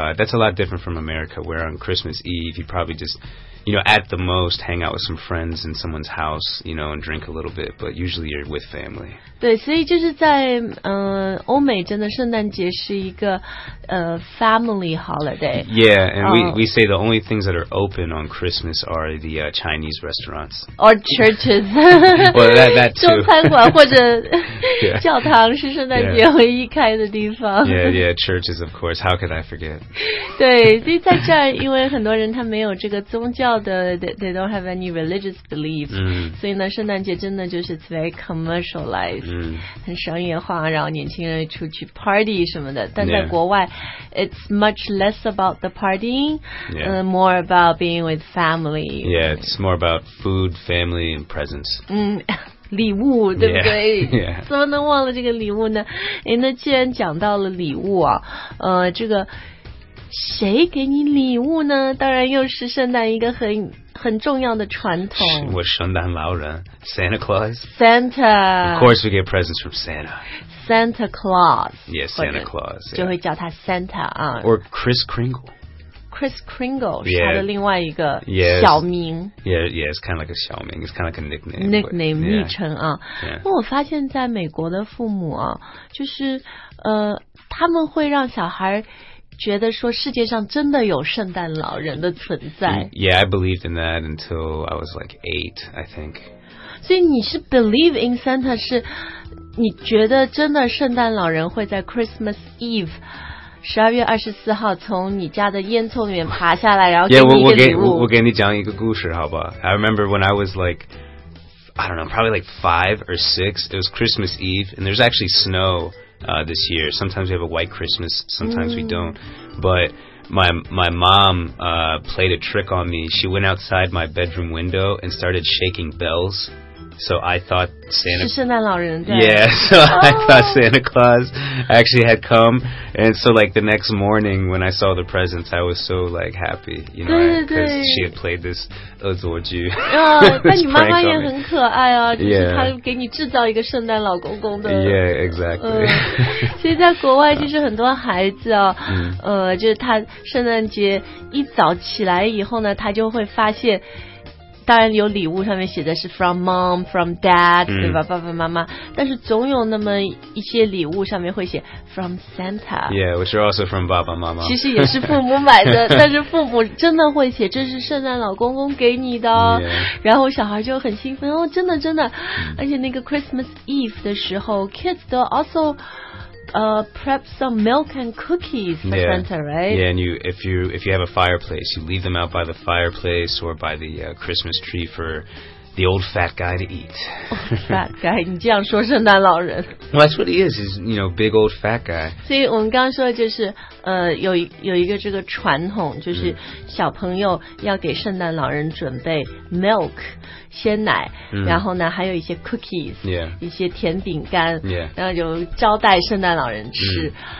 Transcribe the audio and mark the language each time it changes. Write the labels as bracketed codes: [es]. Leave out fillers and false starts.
[en] That's a lot different from America, where on Christmas Eve, you probably just... You know, at the most, hang out with some friends in someone's house, you know, and drink a little bit, but usually you're with family. [zh] 对，所以就是在欧美真的圣诞节是一个 [en] family holiday. Yeah, and we say the only things that are open on Christmas are the Chinese restaurants. Or churches. Well, that too. [zh] 中餐馆或者教堂是圣诞节唯一开的地方。 [en] Yeah, churches, of course. How could I forget? [zh] 对，所以在这儿因为很多人他没有这个宗教 [en] They don't have any religious beliefs. So, in the [zh] 圣诞节真的就是 [en] it's very commercialized, [zh] 很商业化，然后年轻人出去 party 什么的。但在国外 [en] it's much less about the partying, more about being with family. Yeah, it's more about food, family, and presents. [zh] 礼物对不对 [en] yeah. [zh] 怎么能忘了这个礼物呢？诶，那既然讲到了礼物啊，这个谁给你礼物呢？当然又是圣诞一个很重要的传统。我圣诞老人 ，Santa Claus。 [en] Santa。 Of course, we get presents from Santa. Santa Claus. Yes, Santa Claus. [zh] 就会叫他 Santa 啊。 [en] Or Kris Kringle. [zh] Kris Kringle 是他的另外一个小名。 [en] Yeah, it's kind of like a 小名 ，it's kind of like a nickname. [zh] Nickname 昵称啊。 [en] Yeah. [zh] 我发现，在美国的父母啊，就是他们会让小孩。觉得说世界上真的有圣诞老人的存在。 [en] Yeah, I believed in that until I was like 8, I think. [zh] 所以你是 [en] believe in Santa, [zh] 是你觉得真的圣诞老人会在 Christmas Eve, 12月24号从你家的烟囱里面爬下来然后给你一个礼物。我给你讲一个故事好不好 [en] ? I remember when I was like,I don't know, probably like 5 or 6, it was Christmas Eve, and there's actually snow,this year. Sometimes we have a white Christmas, sometimes we don't. But my mom, played a trick on me. She went outside my bedroom window and started shaking bells So I thought Santa... [zh] 是圣诞老人对。 [en] Yeah, so I thought Santa Claus actually had come. And so, like, the next morning when I saw the presents, I was so, like, happy. You know, [zh] 对对对。 [en] Because she had played this 恶作剧。 [zh] 但你妈妈也很可爱啊，就是她给你制造一个圣诞老公公的。 [en] Yeah, exactly. [zh] 所以在国外就是很多孩子啊，就是他圣诞节一早起来以后呢，他就会发现当然有礼物上面写的是 [en] from mom, from dad, [zh] 对吧，爸爸妈妈。但是总有那么一些礼物上面会写 [en] from Santa. Yeah, which are also from 爸爸妈妈。 [zh] 其实也是父母买的但是父母真的会写这是圣诞老公公给你的。 [en] Yeah. [zh] 然后小孩就很兴奋哦真的真的。而且那个 [en] Christmas Eve [zh] 的时候 [en] kids 都 also,prep some milk and cookies for Santa, right? Yeah, and you, if you have a fireplace, you leave them out by the fireplace or by the Christmas tree for the old fat guy to eat. Oh, fat guy, [zh] 你这样说圣诞老人。 [en] Well, that's what he is, he's, you know, big old fat guy. [zh] 所以我们刚刚说的就是有一个这个传统就是小朋友要给圣诞老人准备 milk, 鲜奶、然后呢还有一些 cookies,、一些甜饼干、然后就招待圣诞老人吃。